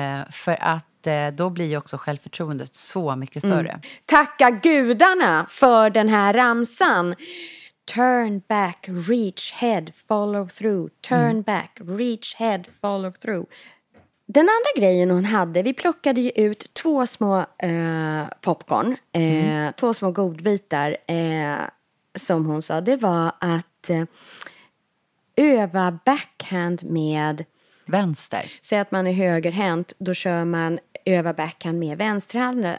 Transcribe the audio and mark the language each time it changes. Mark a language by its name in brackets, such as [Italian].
[Swedish] För att då blir ju också självförtroendet så mycket större. Tacka gudarna för den här ramsan. [English] Turn back, reach, head, follow through. Turn back, reach, head, follow through. [Swedish] Den andra grejen hon hade, vi plockade ju ut två små popcorn. Två små godbitar som hon sa. Det var att öva backhand med vänster. Säg att man är högerhänt, då kör man öva backhand med vänsterhanden.